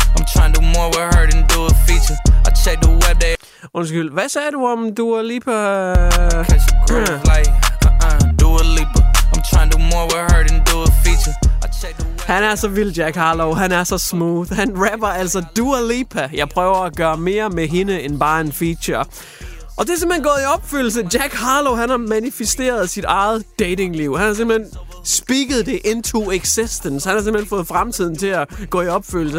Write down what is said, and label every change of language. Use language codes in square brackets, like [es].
[en] I'm trying to do more with her than do a feature. I check the web day. [da] Undskyld, hvad sagde du om du a leaper? [en] I catch a groove like do a leaper. I'm trying to do more with her than do a feature. [da] Han er så vild, Jack Harlow. Han er så smooth. Han rapper altså Dua Lipa. Jeg prøver at gøre mere med hende end bare en feature. Og det er simpelthen gået i opfyldelse. Jack Harlow, han har manifesteret sit eget datingliv. Han har simpelthen speaket det [en] into existence. [da] Han har simpelthen fået fremtiden til at gå i opfyldelse.